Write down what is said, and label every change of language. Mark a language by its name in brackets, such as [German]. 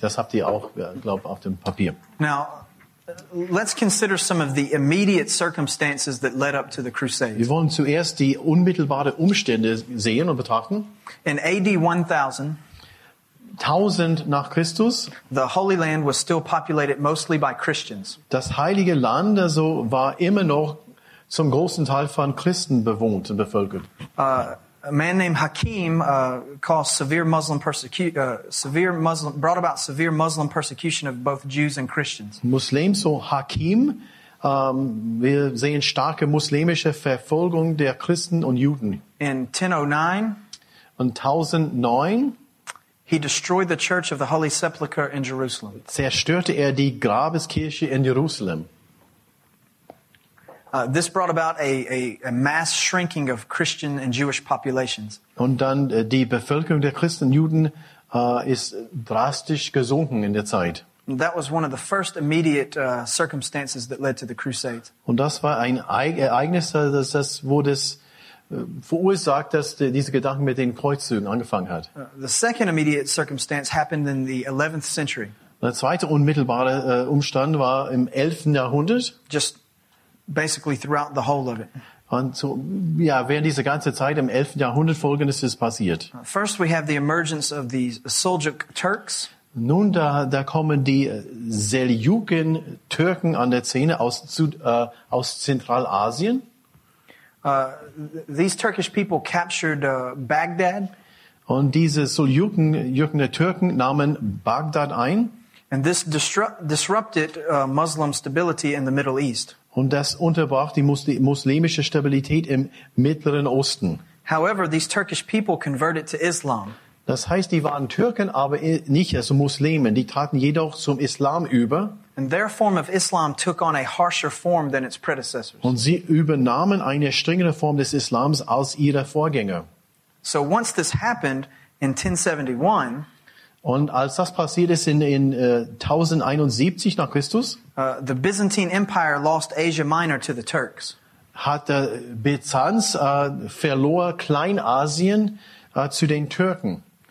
[German] Das habt ihr auch, glaube ich, auf dem Papier. [English] Now, let's consider some of the immediate circumstances that led up to the Crusades. [German] Wir wollen zuerst die unmittelbaren Umstände sehen und betrachten. [English] In AD 1000, [German] 1000 nach Christus, [English] the Holy Land was still populated mostly by Christians. [German] Das Heilige Land also war immer noch zum großen Teil von Christen bewohnt und bevölkert. [English] A man named Hakim caused severe Muslim persecution of both Jews and Christians. [German] Muslim, so Hakim, wir sehen starke muslimische Verfolgung der Christen und Juden. [English] In 1009, he destroyed the Church of the Holy Sepulchre in Jerusalem. [German] Zerstörte er die Grabeskirche in Jerusalem. [English] This brought about a mass shrinking of Christian and Jewish populations. [German] Und dann die Bevölkerung der Christen und Juden ist drastisch gesunken in der Zeit. [English] That was one of the first immediate circumstances that led to the Crusades. [German] Und das war ein Ereignis, das wurde verursacht, dass diese Gedanken mit den Kreuzzügen angefangen hat. [English] The second immediate circumstance happened in the 11th century. [German] Der zweite unmittelbare Umstand war im 11. Jahrhundert. [English] Just basically throughout the whole of it. [German] Und so, ja, während dieser ganze Zeit im 11. Jahrhundert Folgendes ist passiert. [English] First we have the emergence of the Seljuk Turks. [German] Nun, da kommen die Seljuken Türken an der Szene aus Zentralasien. [English] These Turkish people captured Baghdad. [German] Und diese Seljuken der Türken nahmen Bagdad ein. [English] And this disrupted Muslim stability in the Middle East. [German] Und das unterbrach die muslimische Stabilität im Mittleren Osten. [English] However, these Turkish people converted to Islam. [German] Das heißt, die waren Türken, aber nicht also Muslimen. Die traten jedoch zum Islam über. [English] And their form of Islam took on a harsher form than its predecessors. [German] Und sie übernahmen eine strengere Form des Islams als ihre Vorgänger. [English] So once this happened in 1071, [German] und als das passiert ist in 1071 nach Christus, [English] the Byzantine Empire lost Asia Minor to the Turks. [German] Hat der Byzanz verlor Kleinasien zu den Türken.